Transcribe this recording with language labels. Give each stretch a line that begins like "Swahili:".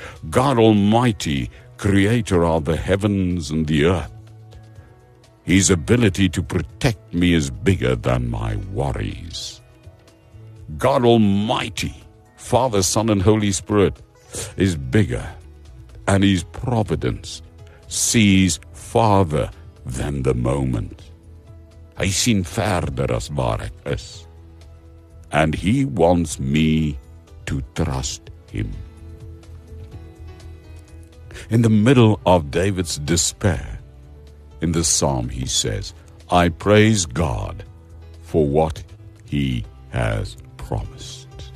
English: God Almighty, Creator of the heavens and the earth, His ability to protect me is bigger than my worries. God Almighty, Father, Son, and Holy Spirit is bigger, and His providence sees farther than the moment.
Afrikaans: Hy sien verder as waar ek is.
English: And He wants me to trust Him. In the middle of David's despair, in the psalm he says, "I praise God for what He has promised."